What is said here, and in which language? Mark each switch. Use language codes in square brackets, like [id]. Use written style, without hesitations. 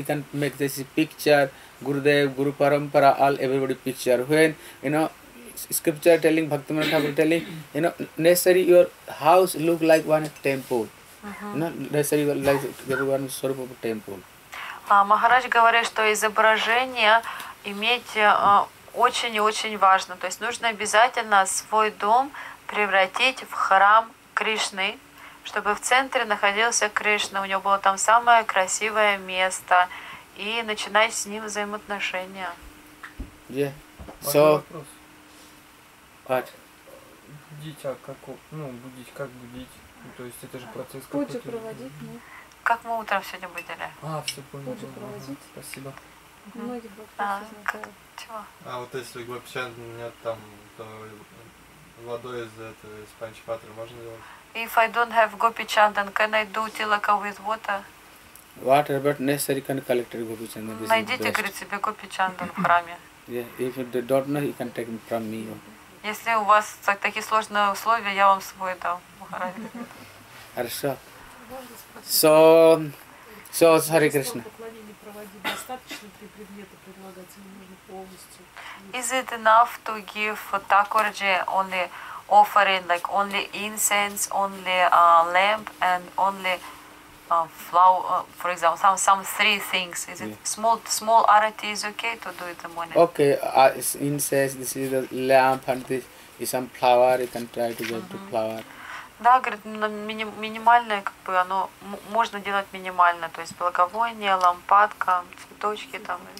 [en] You can make this picture, Gurudev, Guru Parampara, all everybody picture. When, you know, scripture telling, Bhaktivinoda Thakur telling, you know, necessary your house look like one temple. Uh-huh. No, necessary like one sort of temple. [ru] Махарадж говорит, что изображение иметь очень и очень важно. То есть нужно обязательно свой дом превратить в храм Кришны, чтобы в центре находился Кришна, у него было там самое красивое место, и начинать с ним взаимоотношения. [en] Yeah. So, [ru] будить, а как, ну, будить, как будить? То есть это же процесс какой-то. Путь проводить, нет. Как мы утром сегодня будили? А, все понял. Путь проводить. Спасибо. Многие вопросы. А вот если вообще нет там, то водой из этого, из панчпатры можно делать? [en] If I don't have gopi chandan, can I do tilaka with water? Water, but necessary can collect gopi chandan. [ru] Найдите, говорит, себе gopi chandan в храме. [en] Yeah, if you don't know, you can take it from me. [ru] Если у вас такие сложные условия, я вам свой дам. Хорошо. [en] So, sorry, Krishna. Is it enough to give Thakurji only offering, like only incense, only lamp, and only flower, for example, some three things? Is it small arati is okay to do it in the morning? Okay, incense, this is the lamp, and this is some flower, you can try to get to flower. [ru] Да, говорит, минимальное, как бы, оно можно делать минимально, то есть благовоние, лампадка, цветочки там.